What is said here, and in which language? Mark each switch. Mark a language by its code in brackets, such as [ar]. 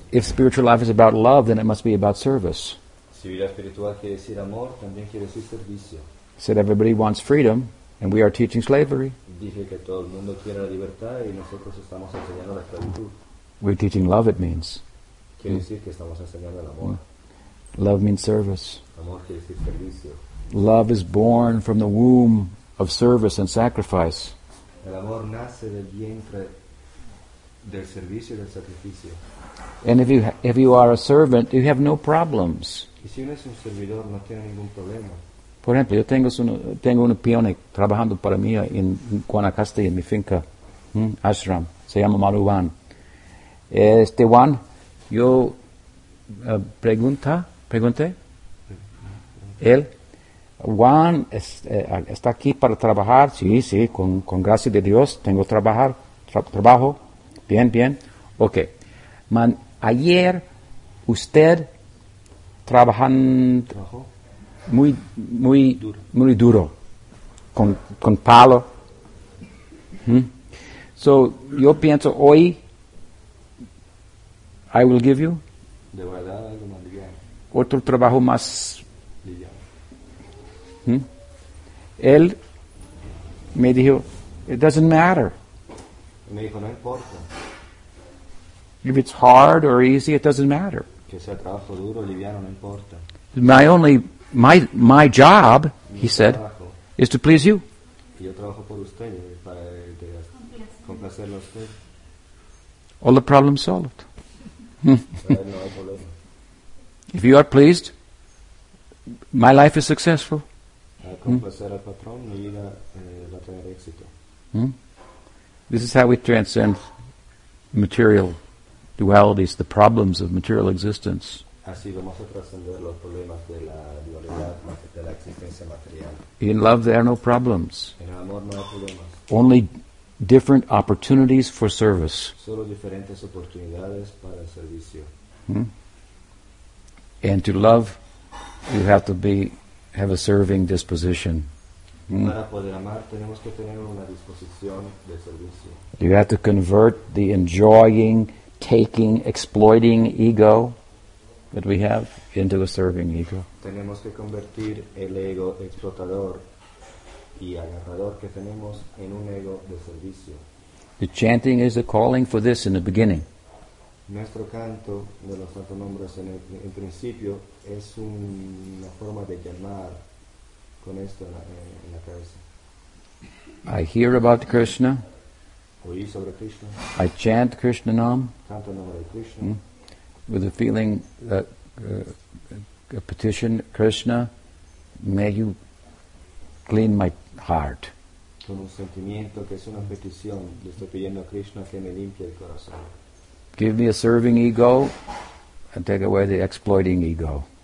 [en] If spiritual life is about love, then it must be about service. [es] Si vida espiritual quiere decir amor, también quiere decir servicio. [en] Said everybody wants freedom, and we are teaching slavery. [es] Dije que todo el mundo quiere la libertad y nosotros estamos enseñando la esclavitud. [en] We're teaching love, it means. [es] Quiere decir que estamos enseñando el amor. [en] Love means service. [es] Amor quiere decir servicio. [en] Love is born from the womb of service and sacrifice. [es] El amor nace del vientre del servicio y del sacrificio. [en] And if you are a servant, you have no problems. [es] Y si uno es un servidor, no tiene ningún problema. Por ejemplo, yo tengo un peón trabajando para mí en Guanacaste, en mi finca, ashram, se llama Maruvan. Este Juan, yo pregunté, él, Juan está aquí para trabajar, sí, con gracia de Dios, tengo trabajo, bien, ok. Man, ayer usted trabajando muy duro, con palo. [en] So, [es] yo pienso hoy, [en] I will give you [es] de verdad, algo más liviano. Otro trabajo más liviano. Él me dijo, [en] it doesn't matter. [es] Me dijo, no importa. [en] If it's hard or easy, it doesn't matter. [es] Que sea trabajo duro, liviano, no importa. [en] My job, he said, is to please you. [es] Yo trabajo por usted, para complacerlo a usted. [en] All the problems solved. If you are pleased, my life is successful. [es] Complacer al patrón, mi vida va a tener éxito. [en] This is how we transcend material dualities, the problems of material existence. [es] Así vamos a trascender los problemas de la dualidad, de la existencia material. [en] In love there are no problems. [es] En el amor no hay problemas. [en] Only different opportunities for service. [es] Solo diferentes oportunidades para el servicio. [en] And to love, you have to have a serving disposition. [es] Para poder amar, tenemos que tener una disposición de servicio. [en] You have to convert the enjoying, taking, exploiting ego that we have into a serving ego. [es] Tenemos que convertir el ego explotador y agarrador que tenemos en un ego de servicio. [en] The chanting is a calling for this in the beginning. [es] Nuestro canto de los santos nombres en principio es una forma de llamar con esto en la cabeza. [en] I hear about Krishna. [es] Oí sobre Krishna. [en] I chant Krishna nam. [es] Canto el nombre de Krishna. [en] With a feeling that petition, Krishna, may you clean my heart. [es] Con un sentimiento que es una petición, le estoy pidiendo a Krishna que me limpie el corazón. [en] Give me a serving ego and take away the exploiting ego.